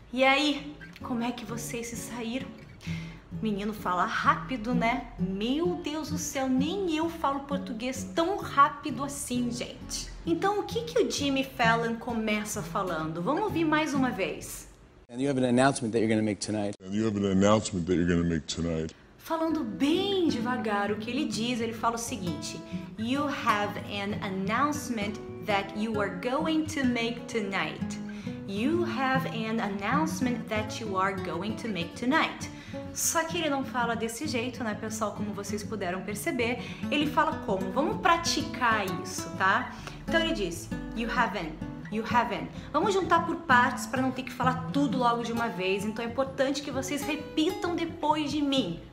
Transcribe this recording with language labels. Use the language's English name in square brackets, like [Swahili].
[Portuguese] E aí, como é que vocês se saíram? O menino fala rápido, né? Meu Deus do céu, nem eu falo português tão rápido assim, gente. Então, o que que o Jimmy Fallon começa falando? Vamos ouvir mais uma vez. [English] And you have an announcement that you're going to make tonight. And you have an announcement that you're going to make tonight. [Portuguese] Falando bem devagar, o que ele diz, ele fala o seguinte: [English] You have an announcement that you are going to make tonight. You have an announcement that you are going to make tonight. [Portuguese] Só que ele não fala desse jeito, né, pessoal, como vocês puderam perceber. Ele fala como? Vamos praticar isso, tá? Então ele diz, [English] you haven't. You haven't. [Portuguese] Vamos juntar por partes para não ter que falar tudo logo de uma vez. Então é importante que vocês repitam depois de mim.